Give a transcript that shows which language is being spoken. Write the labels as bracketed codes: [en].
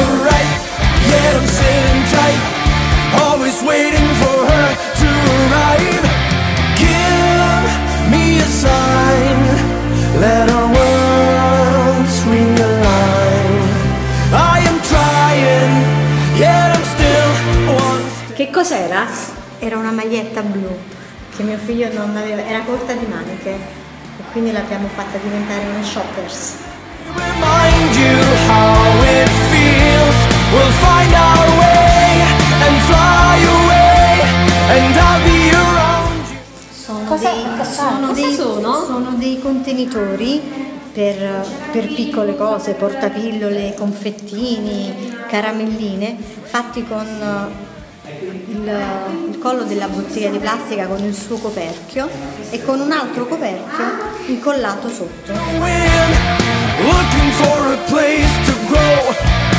[en] Yet I'm sitting tight, always waiting for her to arrive. Give me a sign, let our worlds realign. I am trying, yet I'm still one. [it] Che cos'era? Era una maglietta blu che mio figlio non aveva, era corta di maniche e quindi l'abbiamo fatta diventare una shoppers. [en] Remind you how it feels. We'll find our way and fly away and I'll be around you. [it] Sono dei contenitori per piccole cose, portapillole, confettini, caramelline, fatti con il collo della bottiglia di plastica con il suo coperchio e con un altro coperchio incollato sotto. [en] Looking for a place to grow.